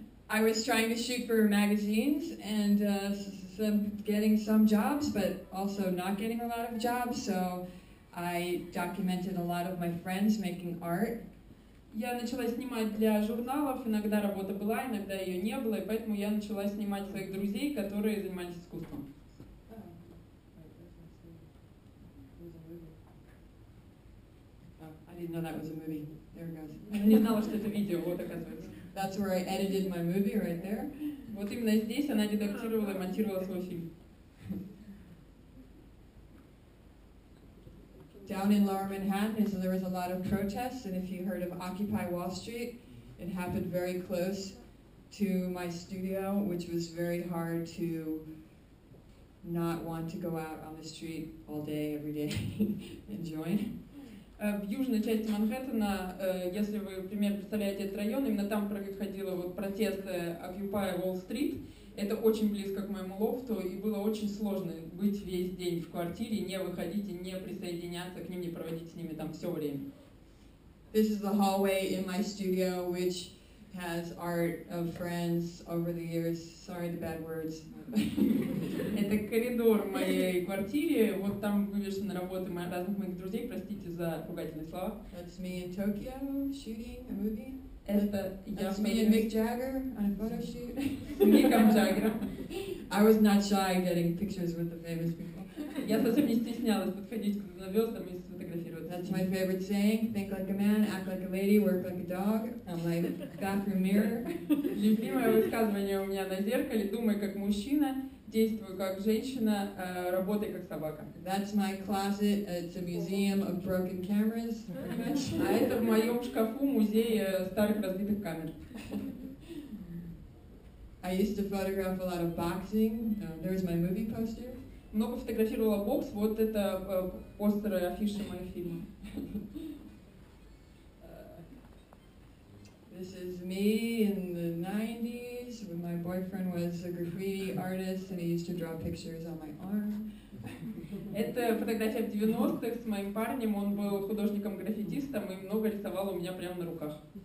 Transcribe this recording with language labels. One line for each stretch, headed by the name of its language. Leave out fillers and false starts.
English: I was trying to shoot for magazines and getting some jobs, but also not getting a lot of jobs, so I documented a lot of my friends making art.
Russian: Я начала снимать для журналов, иногда работа была, иногда ее не было, и поэтому я начала снимать своих друзей, которые занимались искусством.
English: I didn't know that was a movie. There it goes.
Russian: Я не знала, что это видео, вот оказывается.
English: That's where I edited my movie, right there.
Russian: Вот именно здесь она редактировала и монтировала свой фильм.
English: Down in Lower Manhattan, so there was a lot of protests, and if you heard of Occupy Wall Street, it happened very close to my studio, which was very hard to not want to go out on the street all day, every day, and join.
Russian: В южной части Манхэттена, если вы, например, представляете этот район, именно там проходило вот протесты Occupy Wall Street. Это очень близко к моему лофту, и было очень сложно быть весь день в квартире, не выходить и не присоединяться к ним, не проводить с ними там все время.
English: This is the hallway in my studio, which has art of friends over the years. Sorry, the bad words.
Russian: Это коридор моей квартиры. Вот там вывешены работы разных моих друзей. Простите за ругательные слова.
English: That's me in Tokyo shooting a movie.
Russian: Это
English: That's me and Mick Jagger on a photo shoot.
Russian: Миком Джаггером.
English: I was not shy getting pictures with the famous people.
Russian: Я совсем не стеснялась подходить к звездам и сфотографировать.
English: That's my favorite saying. Think like a man, act like a lady, work like a dog. I'm like bathroom mirror.
Russian: Любимое высказывание у меня на зеркале. Думай как мужчина, действуй как женщина, работай как собака.
English: That's my closet. It's a museum of broken cameras.
Russian: А это в моем шкафу музей старых разбитых камер.
English: I used to photograph a lot of boxing. There's my movie poster.
Russian: Много фотографировала бокс, вот это постеры, афиши моего фильма.
English: This is me in the 90s, when my boyfriend was a graffiti artist and he used to draw pictures on my arm.
Russian: Это фотография в 90-х с моим парнем, он был художником-граффитистом и много рисовал у меня прямо на руках.